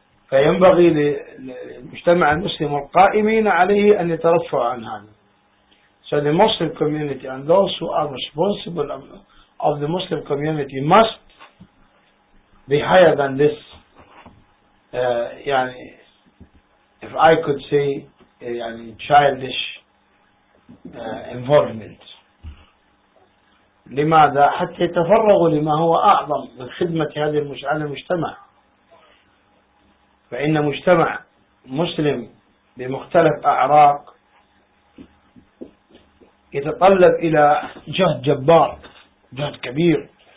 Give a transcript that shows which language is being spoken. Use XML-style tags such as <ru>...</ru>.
<ar>فينبغي للمجتمع المسلم والقائمين عليه أن يترفعوا عن هذا.</ar> <en>So the Muslim community and those who are responsible of the Muslim community must be higher than this.</en> <ar>يعني</ar> <en>if I could say</en> <ar>يعني</ar> <en>childish involvement.</en> <ar>لماذا؟ حتى يتفرغوا لما هو أعظم من خدمة هذا المجتمع. فإن مجتمع مسلم بمختلف أعراق يتطلب إلى جهد جبار، جهد كبير.</ar>